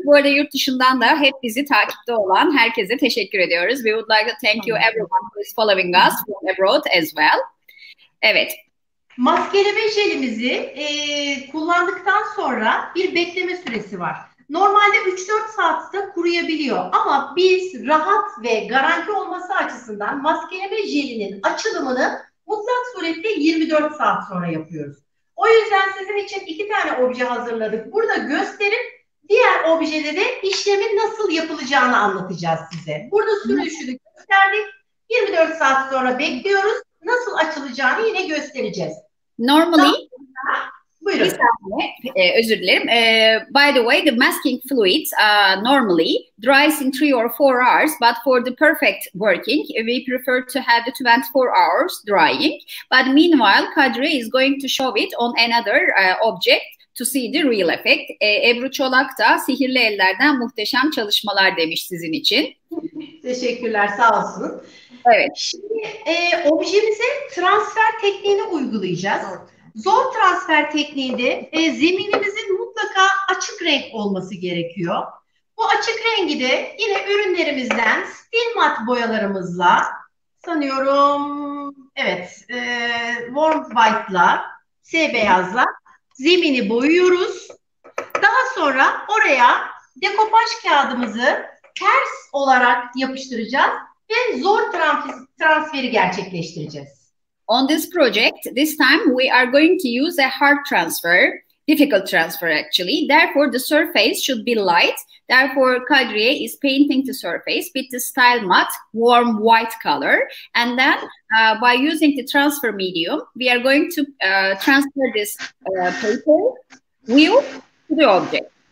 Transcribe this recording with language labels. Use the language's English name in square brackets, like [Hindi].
[Turkish] Bu arada yurt dışından da hep bizi takipte olan herkese teşekkür ediyoruz. [English] We would like to thank you everyone who is following us from abroad as well. [Turkish] Evet. Maskeleme jelimizi kullandıktan sonra bir bekleme süresi var. Normalde 3-4 saatte kuruyabiliyor. Ama biz rahat ve garanti olması açısından maskeleme jelinin açılımını mutlak surette 24 saat sonra yapıyoruz. O yüzden sizin için iki tane obje hazırladık. Burada gösterip diğer objede de işlemin nasıl yapılacağını anlatacağız size. Burada sürüşünü gösterdik. 24 saat sonra bekliyoruz. Nasıl açılacağını yine göstereceğiz. [English] Normally. [Turkish] Buyurun. Bir saniye, özür dilerim. [English] By the way, the masking fluid normally dries in 3 or 4 hours, but for the perfect working, we prefer to have the 24 hours drying. But meanwhile, Kadri is going to show it on another object to see the real effect. [Turkish] Ebru Çolak da sihirli ellerden muhteşem çalışmalar demiş sizin için. Teşekkürler, sağ olsun. Evet. Şimdi objemize transfer tekniğini uygulayacağız. Zor transfer tekniği de zeminimizin mutlaka açık renk olması gerekiyor. Bu açık rengi de yine ürünlerimizden steel mat boyalarımızla, sanıyorum evet, warm white'la, S beyazla zemini boyuyoruz. Daha sonra oraya dekopaj kağıdımızı ters olarak yapıştıracağız ve zor transferi gerçekleştireceğiz. [English] On this project, this time we are going to use a hard transfer, difficult transfer actually. Therefore, the surface should be light. Therefore, Kadri is painting the surface with the style matte warm white color. And then by using the transfer medium, we are going to transfer this paper wheel to the object.